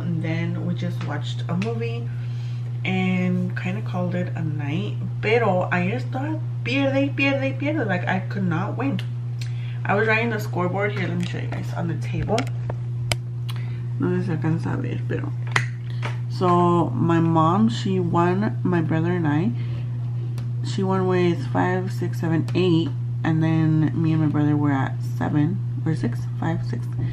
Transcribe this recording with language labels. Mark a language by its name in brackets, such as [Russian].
[English] And then we just watched a movie and kind of called it a night. [Spanish] Pero ayer estaba pierde y pierde y pierde. [English] Like, I could not win. I was writing the scoreboard here. Let me show you guys on the table. [Spanish] No sé si alcanza a ver, pero. [English] So my mom, she won, my brother and I. She won with 5, 6, 7, 8. And then me and my brother were at 7 or 6, 5, 6.